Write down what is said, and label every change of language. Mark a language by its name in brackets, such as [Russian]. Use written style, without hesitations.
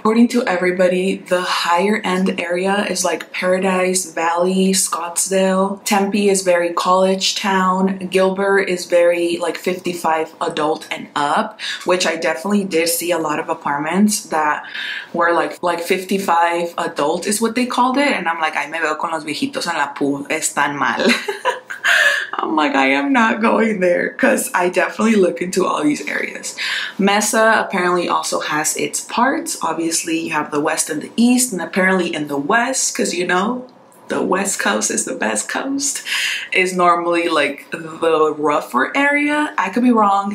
[English] According to everybody, the higher end area is like Paradise Valley, Scottsdale. Tempe is very college town. Gilbert is very like 55 adult and up, which I definitely did see a lot of apartments that were like 55 adult is what they called it. And I'm like, [Spanish] ay, me veo con los viejitos en la pool. Están mal. [English] I'm like, I am not going there, because I definitely look into all these areas. Mesa apparently also has its parts. Obviously, you have the West and the East, and apparently in the West, because you know, the West Coast is the best coast, is normally like the rougher area. I could be wrong.